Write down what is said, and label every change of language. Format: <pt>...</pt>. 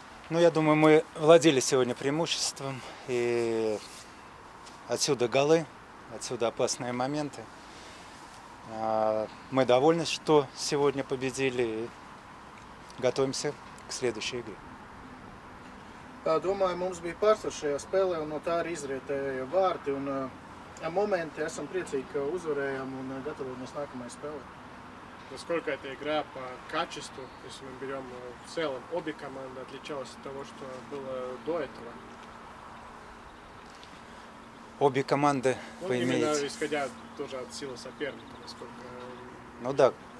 <ru>Ну, я думаю, мы владели сегодня преимуществом. И отсюда голы, отсюда опасные моменты. Мы довольны, что сегодня победили. И готовимся к следующей игре.</ru> <lv>Думаю, mums bija pārsvars šajā spēlē, un no tā arī izrietēja vārti. Un momenti esam priecīgi, ka uzvarējām un gatavojamies nākamajai spēlē.</lv> <ru>Насколько эта игра по качеству, если мы берем в целом, обе команды отличалась от того, что было до этого? Обе команды, ну, вы именно имеете? Исходя тоже от силы соперника, насколько... Ну да.</ru>